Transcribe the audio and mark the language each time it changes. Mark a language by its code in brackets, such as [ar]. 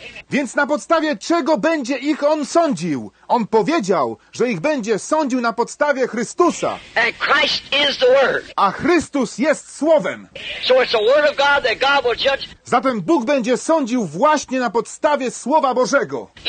[pl] Więc na podstawie czego będzie ich on sądził? On powiedział, że ich będzie sądził na podstawie Chrystusa. [en] And Christ is the word. [pl] A Chrystus jest Słowem. [en] So it's the word of God that God will judge. [pl] Zatem Bóg będzie sądził właśnie na podstawie Słowa Bożego.